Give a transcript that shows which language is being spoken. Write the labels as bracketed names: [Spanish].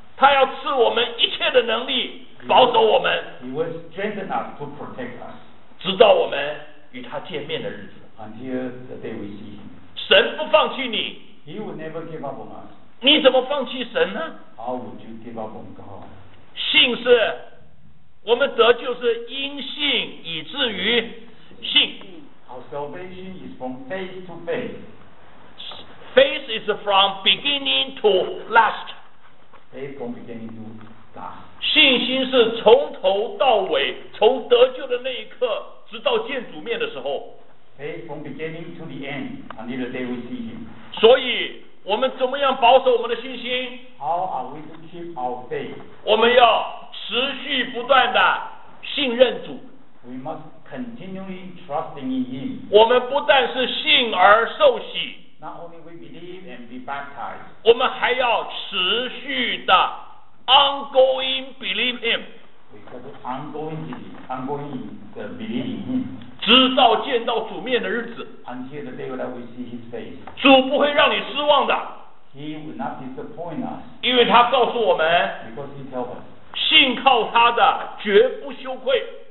[Chinese] 他要赐我们一切的能力保守我们， [English] He will strengthen us to protect us. [Chinese] 直到我们与他见面的日子。 [English] Until the day we see him. [Chinese] 神不放弃你。 [English] He would never give up on us. [Chinese] 你怎么放弃神呢？ [English] How would you give up on God? [Chinese] 信是，我们得救是因信以至于信。 [English] Our salvation is from faith to faith. Faith is from beginning to last. Faith from beginning to last. [Chinese] 信心是从头到尾，从得救的那一刻，直到见主面的时候。 [English] Faith from beginning to the end, until the day we see him. [Chinese] 所以，我们怎么样保守我们的信心？ [English] How are we to keep our faith? [Chinese] 我们要持续不断的信任主。 [English] We must continually trusting in him. [Chinese] 我们不但是信而受洗。 [English] Not only we believe and be baptized. [Chinese] 我们还要持续的 [English] ongoing believe him. Because ongoing the believe in him. [Chinese] 直到见到主面的日子。 [English] Until the day that we see his face. [Chinese] 主不会让你失望的。 [English] He will not disappoint us. [Chinese] 因为他告诉我们。 [English] Because he tells us. [Chinese] 信靠他的绝不羞愧。